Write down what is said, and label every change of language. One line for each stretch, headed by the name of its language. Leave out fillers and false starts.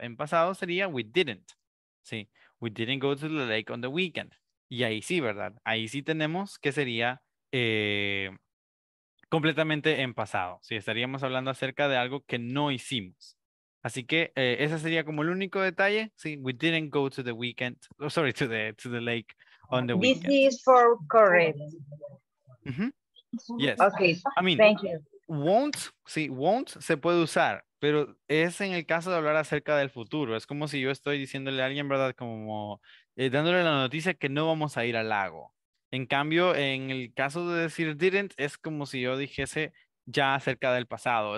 Spanish: En pasado sería we didn't, ¿sí?
English: We didn't go to the lake on the weekend.
Spanish: Y ahí sí, ¿verdad? Ahí sí tenemos que sería completamente en pasado. Sí, estaríamos hablando acerca de algo que no hicimos. Así que ese sería como el único detalle.
English: Sí, we didn't go to the weekend. Oh, sorry, to the lake on the weekend. This is for correct. Mm-hmm. Yes. Okay. I mean, thank you.
Spanish: Won't, sí, won't se puede usar, pero es en el caso de hablar acerca del futuro. Es como si yo estoy diciéndole a alguien, ¿verdad? Como dándole la noticia que no vamos a ir al lago. En cambio, en el caso de decir didn't, es como si yo dijese ya acerca del pasado.